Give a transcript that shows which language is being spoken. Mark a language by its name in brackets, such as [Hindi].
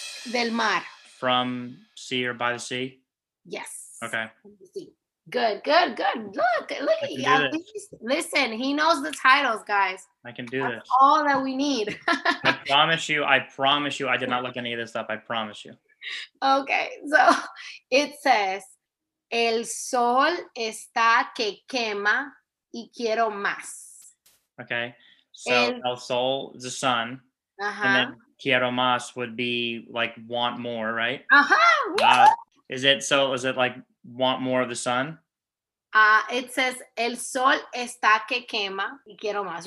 [Spanish] Del mar. [English] From sea or by the sea? Yes. Okay. Good, good, good. Look at you. Listen, he knows the titles, guys. I can do That's this. All that we need. I promise you, I did not look any of this up. I promise you. Okay, so it says, [Spanish] el sol está que quema y quiero más. [English] Okay, so [Spanish] el sol [English] is the sun. Uh-huh. And then [Spanish] quiero más [English] would be like want more, right? Uh-huh. Is it like want more of the sun? It says [Spanish] el sol está que quema y quiero más.